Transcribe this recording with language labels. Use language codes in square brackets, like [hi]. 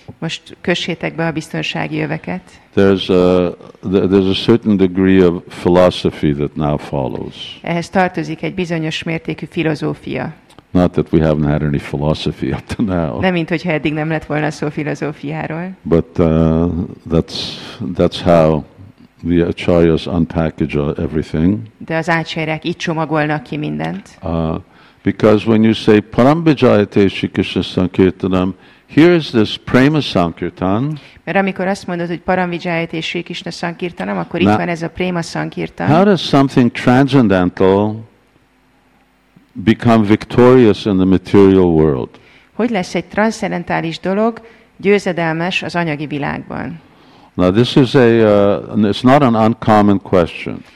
[hu] Most kössétek be a biztonsági öveket. [en] There's a certain degree of philosophy that now follows. [hu] Ehhez tartozik egy bizonyos mértékű filozófia. [en] Not that we haven't had any philosophy up to now. [hu] Nem mint hogyha eddig nem lett volna szó filozófiáról. [en] But that's how the acharyas unpackage everything. [hu] De az ácsárják így csomagolnak ki mindent. [en] Because when you say Parambajayate Shri Krishna Sankirtanam, here is this prema sankirtan. [hu] Mert amikor azt mondod, hogy Parambajayate Shri Krishna Sankirtanam, akkor itt van ez a prema sankirtan. [en] How does something transcendental become victorious in the material world? [hu] Hogy lesz egy transzcendentális dolog győzedelmes az anyagi világban? [en] Now this is it's not an uncommon question.